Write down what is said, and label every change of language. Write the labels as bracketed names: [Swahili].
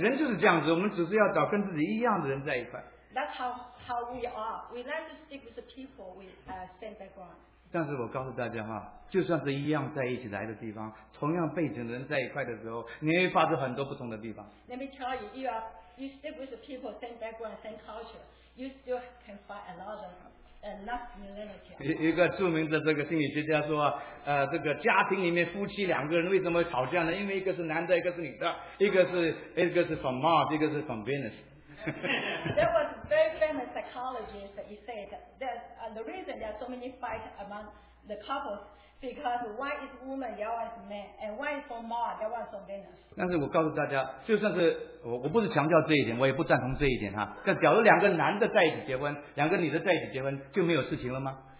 [Chinese] 人就是这样子，我们只是要找跟自己一样的人在一块。 [English] That's how we are. We like to stick with the people we same background. [Chinese] 但是我告诉大家哈，就算是一样在一起来的地方，同样背景的人在一块的时候，你会发出很多不同的地方。 [English] Let me tell you, you stick with the people, same background, same culture, you still can find a lot of not similarity. [Chinese] 一个著名的这个心理学家说，这个家庭里面夫妻两个人为什么吵架呢？因为一个是男的，一个是女的，一个是 [English] from Mars, [Chinese] 一个是 [English] from Venus. There was very famous psychologist that he said that the reason there are so many fights among the couples Because one is woman, the other is man, and one is for Mars, the other is for Venus. [Chinese] 但是我告诉大家，就算是我不是强调这一点，我也不赞同这一点哈。但假如两个男的在一起结婚，两个女的在一起结婚，就没有事情了吗？